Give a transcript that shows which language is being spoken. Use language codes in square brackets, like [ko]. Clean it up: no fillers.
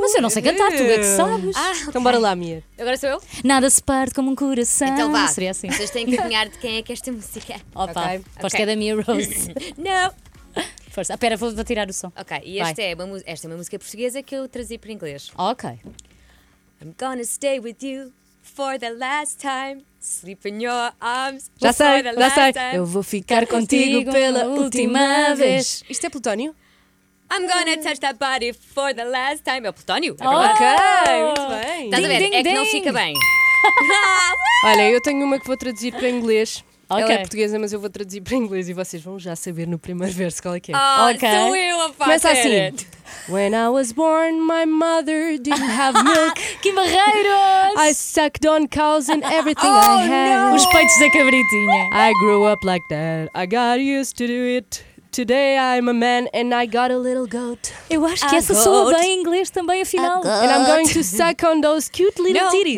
[pt] Mas eu não sei cantar, tu é que sabes. Então bora lá, Mia. Agora sou eu? Nada se parte como um coração. Então vá. Seria assim. Vocês têm que adivinhar de quem é que esta música. Opa, aposto que é da Mia Rose. Não. Força. Espera, vou tirar o som. Ok, e esta é uma música portuguesa que eu trazi para inglês. Ok. [en] I'm gonna stay with you for the last time. Sleep in your arms. [pt] Já sei, já sei. Eu vou ficar contigo pela última vez. Isto é Plutónio? [en] I'm gonna touch that body for the last time. [pt] É o Plutónio? Oh, ok, muito bem. Estás a ver? Ding, é ding. Que não fica bem. Olha, eu tenho uma que vou traduzir para inglês. Okay. Ela é portuguesa, mas eu vou traduzir para inglês e vocês vão já saber no primeiro verso qual é que é. Oh, okay. Sou eu a fazer. Começa assim. [en] When I was born, my mother didn't have milk. [pt] Que barreiros! [en] I sucked on cows and everything I had. No. [pt] Os peitos da cabritinha. [en] I grew up like that. I got used to do it. Today I'm a man and I got a little goat. [pt] Eu acho que essa soa bem em inglês também, afinal. [en] And I'm going to suck on those cute little titties.